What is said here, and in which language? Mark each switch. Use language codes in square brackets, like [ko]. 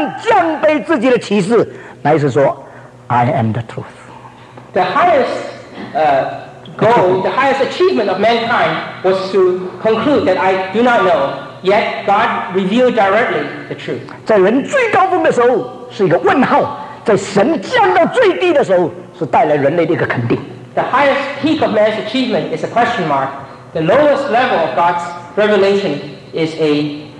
[zh] 人的一切的文化的最高峰，不过是产生一个我不知道什么叫做真理的这个可怕的场面，而神降卑自己的启示，乃是说 ， [en] I am the truth. The highest goal, the highest achievement of mankind was to conclude that I do not know. Yet God revealed directly the truth. [zh] 在人最高峰的时候是一个问号，在神降到最低的时候是带来人类的一个肯定。 [en] The highest peak of man's achievement is a question mark. The lowest level of God's revelation is a